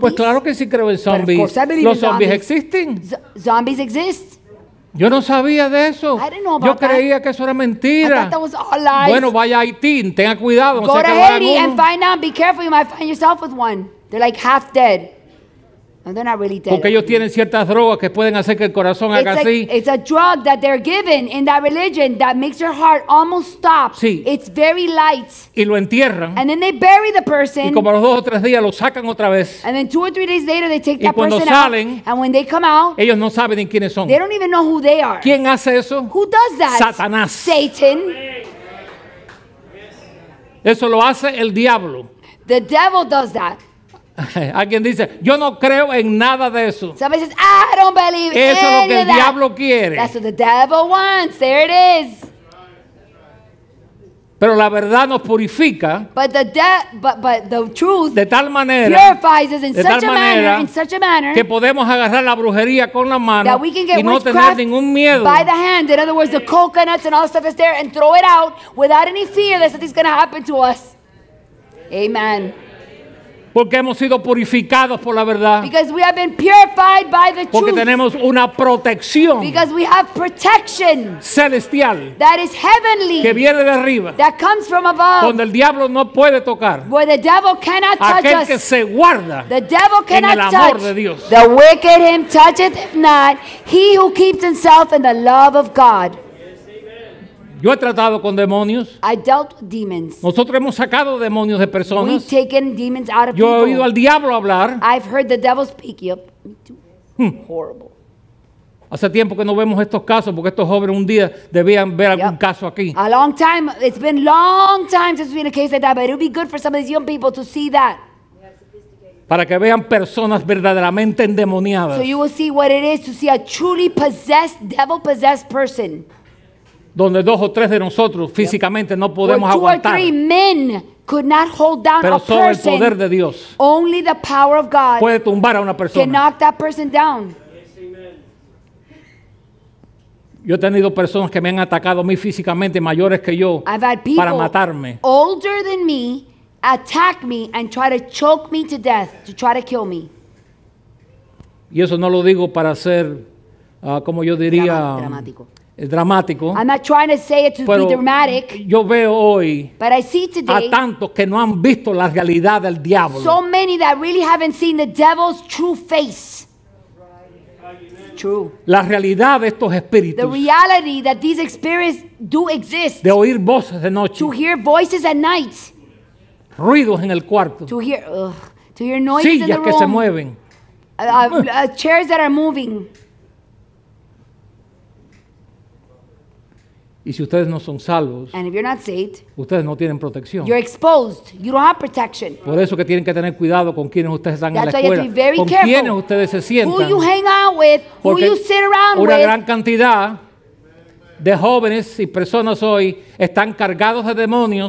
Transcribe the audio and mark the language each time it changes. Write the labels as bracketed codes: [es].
[es] Pues claro que sí creo en zombies. [en] But of course I believe [es] los zombies existen. [en] Zombies exist. [es] Yo no sabía de eso. [en] I didn't know about [es] yo creía [en] that. [es] Que eso era mentira. [en] I thought that was all lies. [es] Bueno, vaya a Haití, tenga cuidado. [en] Go to Haiti and find out. Be careful, you might find yourself with one. They're like half dead. No, they're not really dead. [es] Porque ellos tienen ciertas drogas que pueden hacer que el corazón haga así. [en] It's a drug that they're given in that religion that makes your heart almost stop. [es] Sí. [en] It's very light. [es] Y lo entierran. [en] And then they bury the person. [es] Y como a los dos o tres días lo sacan otra vez. [en] And then two or three days later they take [es] y [en] that person [es] salen, [en] out. And when they come out, [es] ellos no saben ni quiénes son. [en] They don't even know who they are. [es] ¿Quién hace eso? [en] Who does that? [es] Satanás. [en] Satan. [es] Eso lo hace el diablo. [en] The devil does that. [es] Alguien dice, yo no creo en nada de eso. [en] Somebody says, I don't believe any of that. [es] Eso es lo que el diablo quiere. [en] That's what the devil wants. There it is. [es] Pero la verdad nos purifica. [en] But the truth [es] de tal manera, [en] purifies us in such a manera, in such a manner [es] que podemos agarrar la brujería con la mano [en] that we can get [es] y no tener ningún miedo. [en] By the hand. In other words, the coconuts and all stuff is there and throw it out without any fear that something's going to happen to us. Amen. [es] Porque hemos sido purificados por la verdad. [en] Because we have been purified by the truth. [es] Porque tenemos una protección. [en] Because we have protection. [es] Celestial. [en] That is heavenly. [es] Que viene de arriba. [en] That comes from above. [es] Donde el diablo no puede tocar. [en] Where the devil cannot touch [es] aquel [en] us. [es] Aquel que se guarda. [en] The devil cannot [es] en el amor [en] touch. [es] De Dios. [en] The wicked him toucheth him not. He who keeps himself in the love of God. [es] Yo he tratado con demonios. [en] I dealt with demons. [es] Nosotros hemos sacado demonios de personas. [en] We've taken demons out of [es] yo [en] people. [es] He oído al diablo hablar. [en] I've heard the devil speak. Yep. Me too. Horrible. [es] Hace tiempo que no vemos estos casos porque estos jóvenes un día debían ver algún caso aquí. [en] A long time. It's been long time since we've been a case like that, but it would be good for some of these young people to see that. [es] Para que vean personas verdaderamente endemoniadas. [en] So you will see what it is to see a truly possessed, devil-possessed person. [es] Donde dos o tres de nosotros físicamente no podemos aguantar. [en] Two or three men could not hold down a person. [es] Pero solo el poder de Dios. [en] Only the power of God. [es] Puede tumbar a una persona. [en] Can knock that person down. [es] Yo he tenido personas que me han atacado a mí físicamente mayores que yo. [en] I've had people [es] para matarme. [en] Older than me attack me and try to choke me to death. To try to kill me. [es] Y eso no lo digo para ser, como yo diría. Dramático. Dramático. [en] I'm not trying to say it to [es] pero [en] be dramatic. [es] Yo veo hoy [en] but I see today [es] a tantos que no han visto la realidad del diablo. [en] So many that really haven't seen the devil's true face. True. [es] La realidad de estos espíritus. [en] The reality that these spirits do exist. [es] De oír voces de noche. [en] To hear voices at night. [es] Ruidos en el cuarto. [en] To hear noises [es] sillas [en] in the room. [es] Que se mueven. [en] Chairs that are moving. [es] Y si ustedes no son salvos, [en] and if you're not saved, [es] ustedes no tienen protección. [en] You're exposed. You don't have protection. [es] Por eso que tienen que tener cuidado con quienes ustedes están [en] that's [es] en la escuela. [en] You have to be very [es] con quienes ustedes se sientan. [en] Who you hang out with, who you sit around [es] una [en] with. [es] Gran cantidad de jóvenes y personas hoy están cargados de demonios.